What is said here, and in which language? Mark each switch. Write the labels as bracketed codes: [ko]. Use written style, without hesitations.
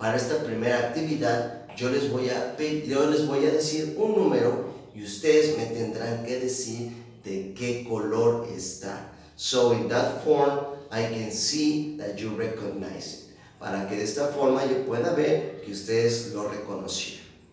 [es] Para esta primera actividad, yo les voy a decir un número, y ustedes me tendrán que decir de qué color está. [en] So in that form, I can see that you recognize it. [es] Para que de esta forma yo pueda ver que ustedes lo reconocieron.